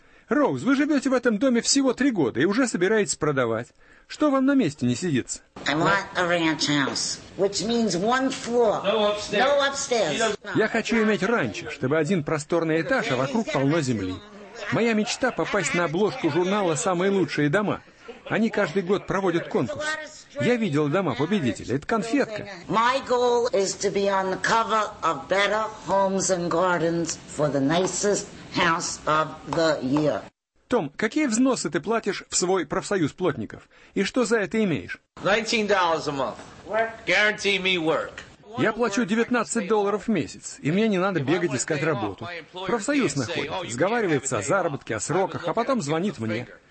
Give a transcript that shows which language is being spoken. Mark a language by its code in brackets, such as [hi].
[ru] Роуз, вы живете в этом доме всего 3 года и уже собираетесь продавать. Что вам на месте не сидится? [en] I want a ranch house, which means one floor. No upstairs. [ru] Я хочу иметь ранчо, чтобы один просторный этаж, а вокруг полно земли. Моя мечта — попасть на обложку журнала «Самые лучшие дома». Они каждый год проводят конкурс. Я видел дома победителя. Это конфетка. [en] My goal is to be on the cover of Better Homes and Gardens for the nicest house of the year. [ru] Том, какие взносы ты платишь в свой профсоюз плотников? И что за это имеешь? [en] $19 a month. Guarantee me work. [ru] Я плачу $19 в месяц, и мне не надо бегать искать работу. Профсоюз находит, сговаривается о заработке, о сроках, а потом звонит мне.